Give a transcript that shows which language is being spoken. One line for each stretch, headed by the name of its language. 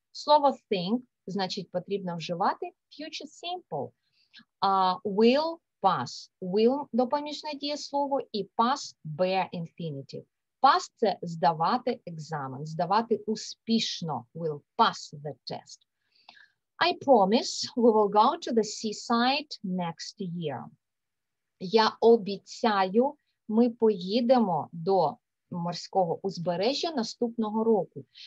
Ukrainian: Слово think – значить, потрібно вживати future simple. Will –
English: past will –
Ukrainian: допомічне дієслово, і
English: past – bear infinitive.
Ukrainian: Pass – це здавати екзамен, здавати успішно.
English: Will pass the test. I promise we will go to the seaside next year.
Ukrainian: Я обіцяю, ми поїдемо до морського узбережжя наступного року.